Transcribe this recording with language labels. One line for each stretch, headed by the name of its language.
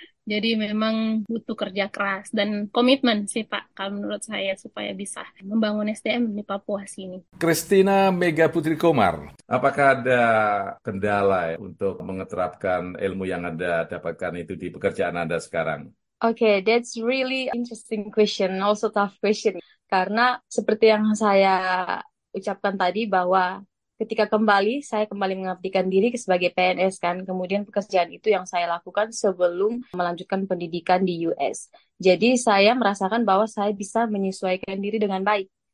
Indonesian: Jadi memang butuh kerja keras dan komitmen sih, Pak, kalau menurut saya, supaya bisa membangun SDM di Papua sini. Christina Mega Putri Komar. Apakah ada kendala untuk mengeterapkan ilmu yang Anda dapatkan itu di pekerjaan Anda sekarang?
English: Okay, that's really interesting question, also tough question.
Indonesian: Karena seperti yang saya ucapkan tadi bahwa ketika kembali, saya kembali mengabdikan diri sebagai PNS kan. Kemudian pekerjaan itu yang saya lakukan sebelum melanjutkan pendidikan di US. Jadi saya merasakan bahwa saya bisa menyesuaikan diri dengan baik.